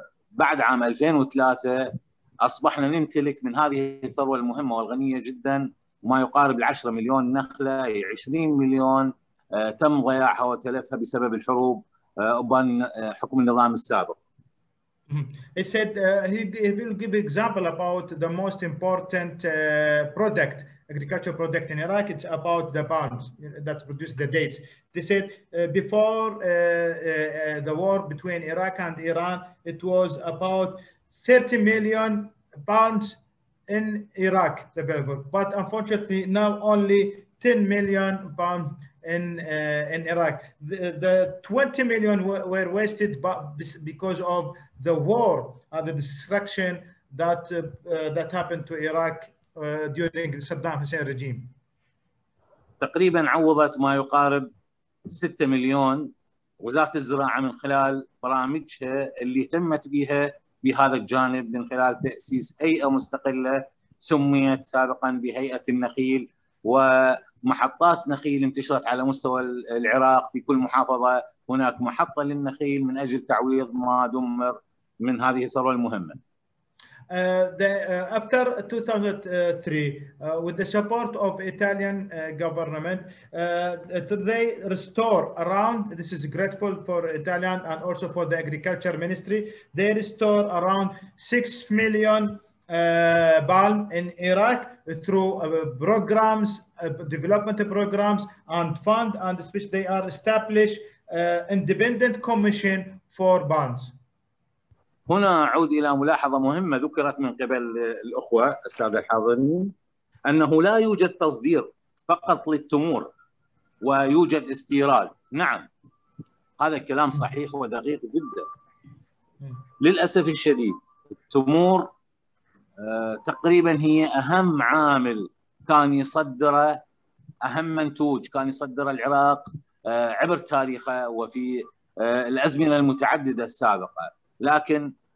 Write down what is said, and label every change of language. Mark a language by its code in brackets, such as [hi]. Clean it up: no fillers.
[ar] بعد عام 2003 أصبحنا نمتلك من هذه الثروة المهمة والغنية جدا ما يقارب 10 مليون نخلة، 20 مليون تم ضياعها وتلفها بسبب الحروب وبان حكم النظام السابق. [en] He said he will give example about the most important product, agricultural product in Iraq. It's about the palms that produce the dates. They said before the war between Iraq and Iran, it was about 30 million palms in Iraq available. But unfortunately, now only 10 million palms in Iraq. The 20 million were wasted because of the war and the destruction that that happened to Iraq during Saddam Hussein regime. [ar] تقريبا عوضت ما يقارب 6 مليون وزارة الزراعة من خلال برامجها اللي اهتمت بها بهذا الجانب من خلال تأسيس هيئة مستقلة سميت سابقا بهيئة النخيل، ومحطات نخيل انتشرت على مستوى العراق في كل محافظة هناك محطة للنخيل من أجل تعويض ما دمر من هذه الثروة المهمة. [en] After 2003, with the support of Italian government, they restore around, this is grateful for Italian and also for the agriculture ministry, they restore around 6 million palm in Iraq through programs, development programs and fund, and especially they are established independent commission for palms. [ar] هنا أعود إلى ملاحظة مهمة ذكرت من قبل الأخوة السادة الحاضرين، أنه لا يوجد تصدير فقط للتمور ويوجد استيراد. نعم هذا الكلام صحيح ودقيق جدا. للأسف الشديد التمور تقريبا هي أهم عامل كان يصدر، أهم منتوج كان يصدر العراق عبر تاريخه وفي الأزمنة المتعددة السابقة، لكن